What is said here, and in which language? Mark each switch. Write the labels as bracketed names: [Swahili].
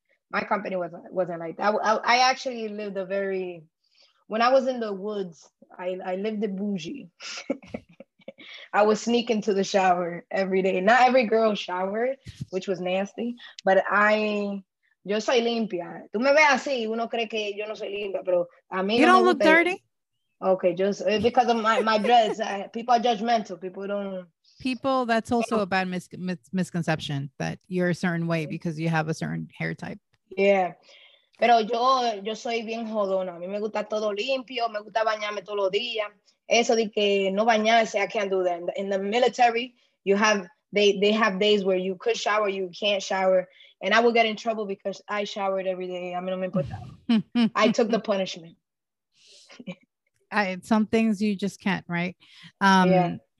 [English] My company wasn't like that. I actually lived a very, when I was in the woods, I lived a bougie. I was sneaking to the shower every day. Not every girl showered, which was nasty, but [Spanish] yo soy limpia. Tú me ves así, uno cree que yo no soy limpia, pero a mí. [English] You don't look dirty? Okay, just because of my dress. People are judgmental. People, that's also a bad misconception that you're a certain way because you have a certain hair type. [Spanish] Yeah. Pero yo soy bien jodona. A mí me gusta todo limpio. Me gusta bañarme todos los días. Eso de que no bañarse, [English] I can't do that. In the military, they have days where you could shower, you can't shower. And I would get in trouble because I showered every day. [Spanish] A mí no me importa. [English] I took the punishment. Some things you just can't, right? Yeah.